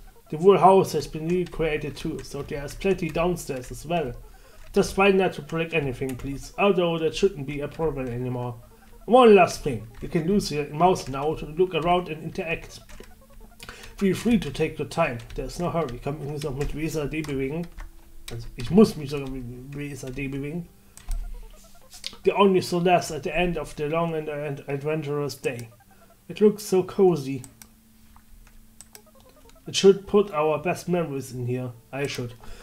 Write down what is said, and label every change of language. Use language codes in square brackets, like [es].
[en] The whole house has been recreated too, so there's plenty downstairs as well. Just try not to break anything, please, although that shouldn't be a problem anymore. One last thing, you can use your mouse now to look around and interact. Feel free to take your time, there's no hurry, [de] kann ich mich auch mit WSAD bewegen. Also ich muss mich sogar mit WSAD bewegen. [en] The only solace at the end of the long and adventurous day. It looks so cozy. It should put our best memories in here, I should.